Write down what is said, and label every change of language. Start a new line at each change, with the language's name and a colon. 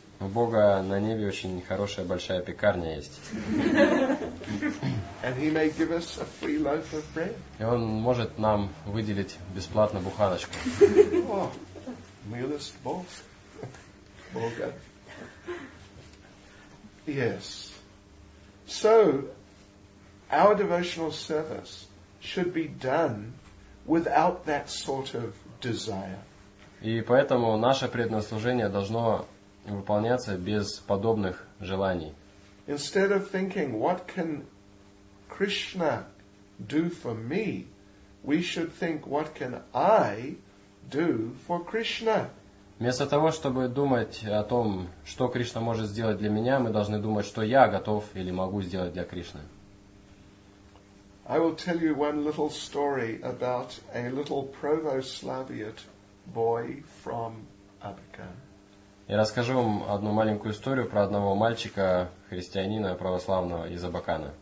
Russian: У Бога на небе очень хорошая большая пекарня есть.
English: And he may give us a free loaf of bread.
Russian: И он может нам выделить бесплатно буханочку. Милость Бога. Бога.
English: Yes. So, our devotional service should be done without that sort of desire.
Russian: И поэтому наше преданное служение должно выполняться без подобных желаний.
English: Instead of thinking, what can Krishna do for me, we should think, what can I do for Krishna?
Russian: Вместо того, чтобы думать о том, что Кришна может сделать для меня, мы должны думать, что я готов или могу сделать для Кришны.
English: I will tell you one little story about a little Provoslavian boy from Abakan.
Russian: Я расскажу вам одну маленькую историю про одного мальчика, христианина, православного, из Абакана.